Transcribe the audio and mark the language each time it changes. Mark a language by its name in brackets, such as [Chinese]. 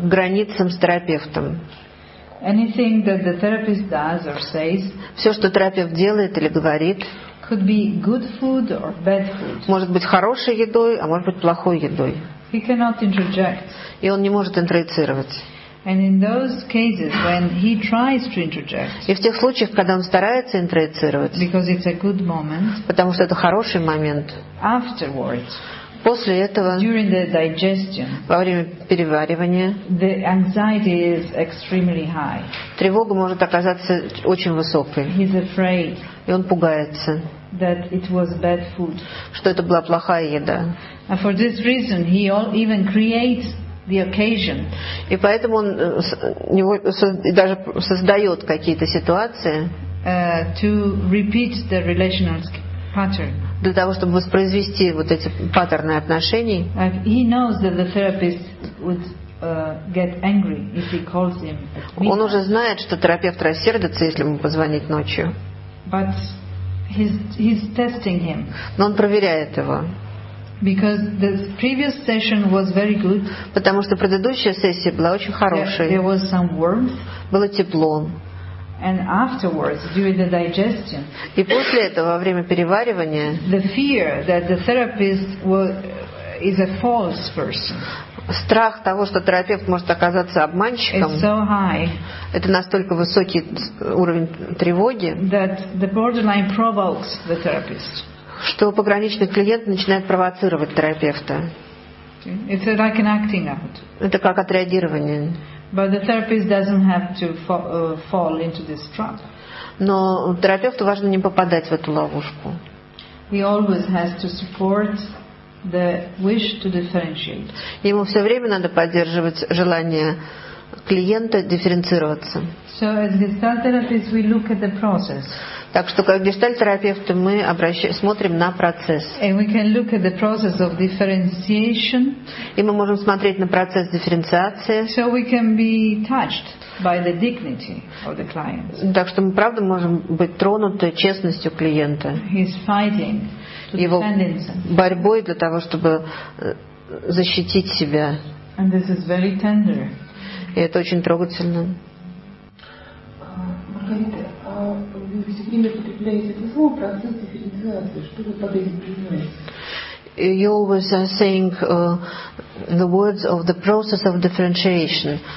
[Russian] К границам с терапевтом. [English] Anything that the therapist does or says. [Russian] Все, что терапевт делает или говорит. [English] Could be good food or bad food. [Russian] Может быть хорошей едой, а может быть плохой едой. [English] He cannot interject. [Russian] И он не может интроецировать. [English] And in those cases when he tries to interject. [Russian] И в тех случаях, когда он старается интроецировать. [English] Because it's a good moment. [Russian] Потому что это хороший момент. [English] Afterwards. [Russian] После этого. [English] During the digestion. [Russian] Во время переваривания. [English] The anxiety is extremely high. [Russian] Тревога может оказаться очень высокой. [English] He's afraid. [Russian] И он пугается. [English] That it was bad food. [Russian] Что это была плохая еда. [English] And for this reason he even creates the occasion. [Russian] И поэтому он даже создает какие-то ситуации [English] to repeat the relational pattern. [Russian] Для того, чтобы воспроизвести вот эти паттерны отношений. [English] He knows that the therapist would get angry if he calls him. [Russian] Он уже знает, что терапевт рассердится, если ему позвонить ночью. [English] But he's testing him. [Russian] Но он проверяет его. [English] Because the previous session was very good. [Russian] Потому что предыдущая сессия была очень хорошей. [English] There was some warmth. [Russian] Было тепло. [English] And afterwards, during the digestion. [Russian] И после этого, во время переваривания. [English] The fear that the therapist is a false person. [Russian] Страх того, что терапевт может оказаться обманщиком. [English] It's so high. [Russian] Это настолько высокий уровень тревоги. [English] That the borderline provokes the therapist. [Russian] Что пограничный клиент начинает провоцировать терапевта. [English] It's like an acting out. [Russian] Это как отреагирование. [English] But the therapist doesn't have to fall into this trap. [Russian] Но терапевту важно не попадать в эту ловушку. [English] He always has to support the wish to differentiate. [Russian] Ему все время надо поддерживать желание клиента дифференцироваться. [English] So as gestalt therapist we look at the process. [Russian] Так что как гештальт-терапевты мы смотрим на процесс. [English] And we can look at the process of differentiation. [Russian] И мы можем смотреть на процесс дифференциации. [English] So we can be touched by the dignity of the client. [Russian] Так что мы правда можем быть тронуты честностью клиента. [English] He's fighting to [Russian] его борьбой для того, чтобы защитить себя. [English] And this is very tender. [Russian] И это очень трогательно. Маргарита, а вы все время употребляете это слово «процесс дифференциации». Что вы под этим понимаете? [English] You always are saying the words of the process of differentiation.